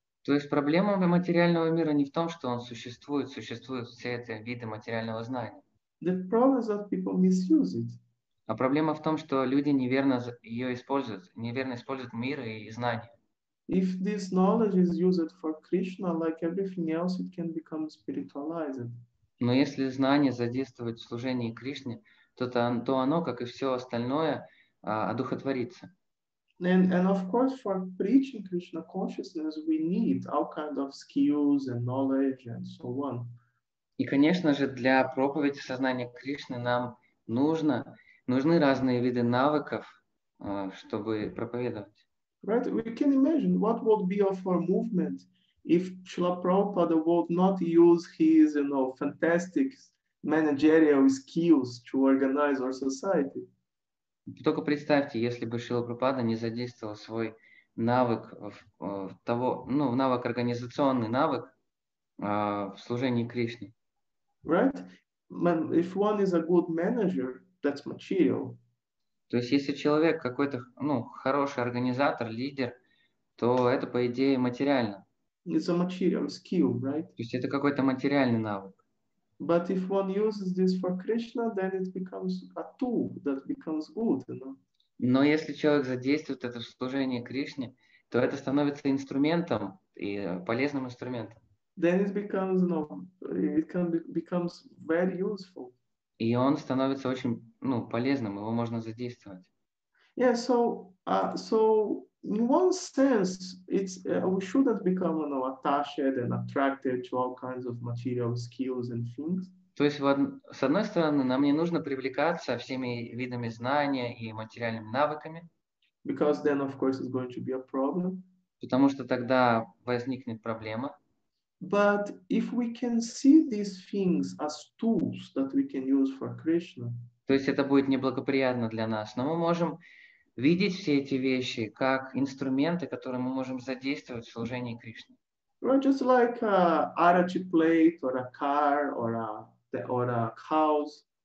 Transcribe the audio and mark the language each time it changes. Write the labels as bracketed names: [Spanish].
[Russian] То есть проблема материального мира не в том, что он существует, существуют все эти виды материального знания. [English] The problem is that people misuse it. [Russian] А проблема в том, что люди неверно ее используют, неверно используют мир и знания. [English] If this knowledge is used for Krishna, like everything else, it can become spiritualized. [Russian] Но если знание задействовать в служении Кришне, то оно, как и все остальное, одухотворится. [English] And of course, for preaching Krishna consciousness, we need all kinds of skills and knowledge and so on. [Russian] И, конечно же, для проповеди сознания Кришны нам нужны разные виды навыков, чтобы проповедовать. [English] Right? We can imagine what would be of our movement if Srila Prabhupada would not use his, you know, fantastic managerial skills to organize our society. [Russian] Только представьте, если бы Шрила Прабхупада не задействовал свой навык навык организационный навык в служении Кришне. [English] Right? Man, if one is a good manager, that's material. [Russian] То есть если человек какой-то, ну, хороший организатор, лидер, то это, по идее, материально. [English] It's a material skill, right? [Russian] То есть это какой-то материальный навык. [English] But if one uses this for Krishna, then it becomes a tool that becomes good, you know? [Russian] Но если человек задействует это в служении Кришне, то это становится инструментом и полезным инструментом. [English] Then it becomes, you know, it can be, becomes very useful. [Russian] И он становится очень, ну, полезным, его можно задействовать. [English] Yeah, so in one sense, we shouldn't become, you know, attached and attracted to all kinds of material skills and things. [Russian] То есть, с одной стороны, нам не нужно привлекаться всеми видами знания и материальными навыками. [English] Because then, of course, it's going to be a problem. [Russian] Потому что тогда возникнет проблема. [English] But if we can see these things as tools that we can use for Krishna. [Russian] То есть это будет неблагоприятно для нас, но мы можем видеть все эти вещи как инструменты, которые мы можем задействовать в служении Кришне. [English] Right, just like a arati plate or a car or a house.